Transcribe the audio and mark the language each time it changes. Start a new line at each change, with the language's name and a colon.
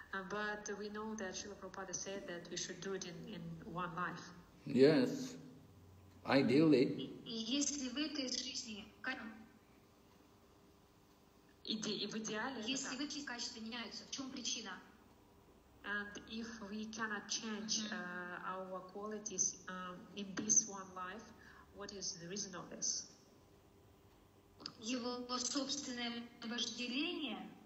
English: But we know that Srila Prabhupada said that we should do it in one life. Yes, ideally.
Russian: Если в этих качествах не меняются, в чем причина?
English: And if we cannot change our qualities in this one life, what is the reason of this?
Russian: Его собственное вожделение.